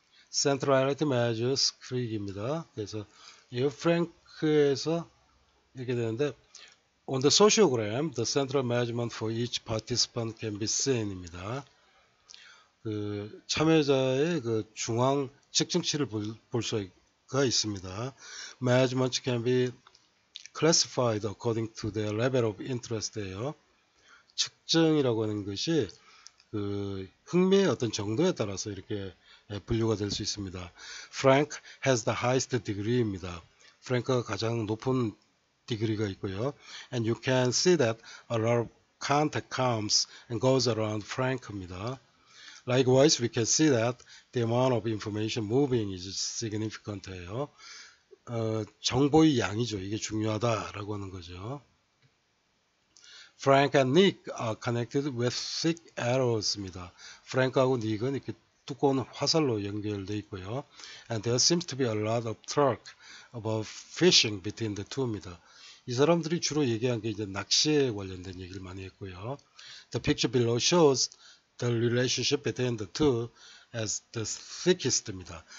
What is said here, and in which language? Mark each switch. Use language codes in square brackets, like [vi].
[en] Centrality measures Creek입니다. [ko] 그래서 이 프랭크에서 이렇게 되는데 [en] On the sociogram, the central measurement for each participant can be seen입니다. [ko] 그 참여자의 그 중앙 측정치를 볼 수가 있습니다. [en] Measurements can be classified according to their level of interest [ko] 예요. 측정이라고 하는 것이 그 흥미의 어떤 정도에 따라서 이렇게 분류가 될 수 있습니다. [en] Frank has the highest degree [ko] 입니다. 프랭크가 가장 높은 디그리가 있고요. [en] And you can see that a lot of contact comes and goes around Frank [ko] 입니다. [en] Likewise, we can see that the amount of information moving is significant [ko] 예요. 정보의 양이죠. 이게 중요하다라고 하는 거죠. [en] Frank and Nick are connected with thick arrows입니다. [ko] Frank하고 Nick은 이렇게 두꺼운 화살로 연결돼 있고요. [en] And there seems to be a lot of talk about fishing between the two [ko] 입니다. 이 사람들이 주로 얘기한 게 이제 낚시에 관련된 얘기를 많이 했고요. [en] The picture below shows the relationship between the two as the thickest [ko] 입니다.